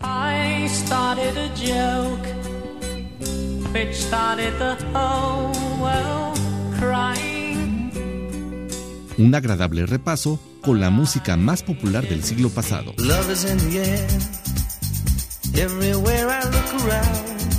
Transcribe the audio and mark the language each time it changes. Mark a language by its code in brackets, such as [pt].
[en] I started a joke, which started the whole world crying. [es] Un agradable repaso con la música más popular del siglo pasado. [en] Love is in the air, everywhere I look around.